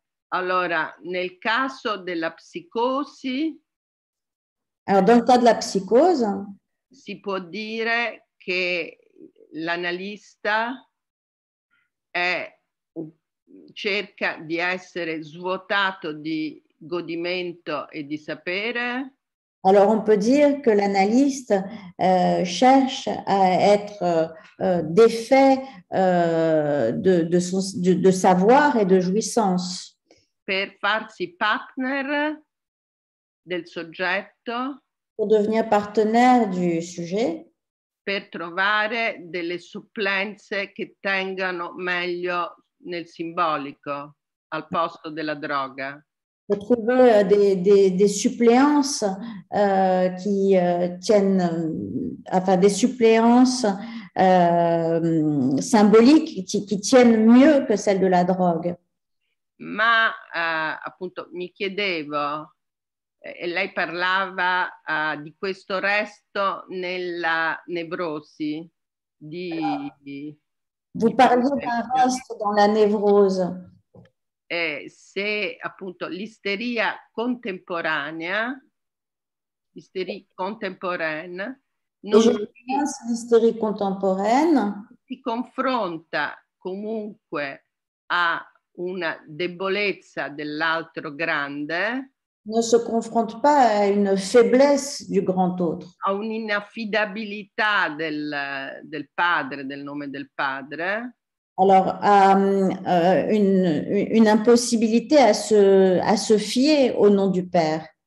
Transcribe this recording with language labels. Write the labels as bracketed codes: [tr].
[it] Allora, nel caso della psicosi. [fr] Alors, dans le cas de la psychose, [it] si può dire che l'analista cerca di essere svuotato di godimento e di sapere. [fr] Alors on peut dire que l'analyste cherche à être défait de savoir et de jouissance. [it] Per farsi partner del soggetto. [fr] Pour devenir partenaire du sujet. [it] Per trovare delle supplenze che tengano meglio nel simbolico al posto della droga. [fr] Pour trouver des suppléances qui tiennent, enfin des suppléances symboliques qui tiennent mieux que celles de la drogue. [it] Ma appunto mi chiedevo. E lei parlava di questo resto nella nevrosi di. [fr] Vous parliez d'un reste dans la névrose. [it] Se appunto l'isteria contemporanea, l'isteria contemporaine, si confronta comunque a una debolezza dell'altro grande. [fr] Ne se confronte pas à une faiblesse du grand autre. [it] A un'inaffidabilità del padre, del nome del padre. [fr] Alors, une impossibilité à se fier au nom du père.